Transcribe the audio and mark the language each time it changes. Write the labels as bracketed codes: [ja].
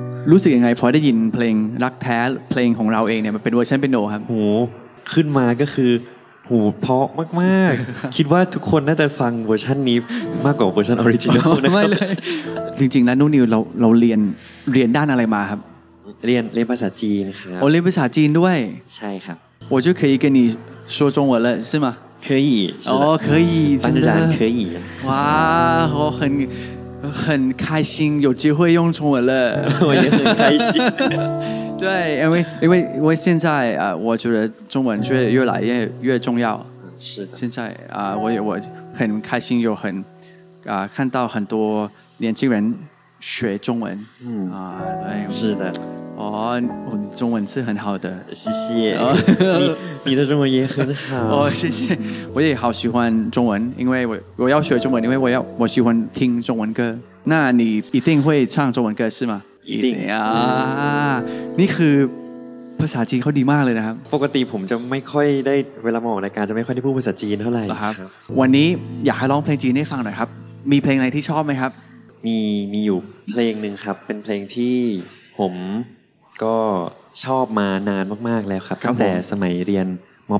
[th] รู้สึกยังไงพอได้ยินเพลงรักแท้เพลงของเราเองเนี่ยมันเป็นเวอร์ชันเปียโนครับ โอ้ขึ้นมาก็คือหูเพราะมากๆคิดว่าทุกคนน่าจะฟังเวอร์ชันนี้มากกว่าเวอร์ชันออริจินอลนะครับ ไม่เลยจริงๆนะนุ่นนิวเราเรียนด้านอะไรมาครับ เรียนภาษาจีนครับ โอเรียนภาษาจีนด้วย ใช่ครับ [zh] 我就可以跟你说中文了是吗可以哦可以当然可以哇我很开心有机会用中文了我也很开心对，因为现在啊，我觉得中文却越来越重要。是的。现在啊，我很开心，有很啊看到很多年轻人学中文。嗯啊，对。是的。哦，你中文是很好的。谢谢。哦、你的中文也很好。哦，谢谢。我也好喜欢中文，因为我要学中文，因为我喜欢听中文歌。那你一定会唱中文歌是吗？一定 [th] 啊、嗯、นี่คือภาษาจีนเขาดีมากเลยนะครับ ปกติผมจะไม่ค่อยได้เวลามาออกรายการจะไม่ค่อยได้พูดภาษาจีนเท่าไหร่ ครับวันนี้อยากให้ร้องเพลงจีนให้ฟังหน่อยครับมีเพลงไหนที่ชอบไหมครับ มีอยู่เพลงหนึ่งครับเป็นเพลงที่ผมก็ชอบมานานมากๆแล้วครับตั้งแต่สมัยเรียนม.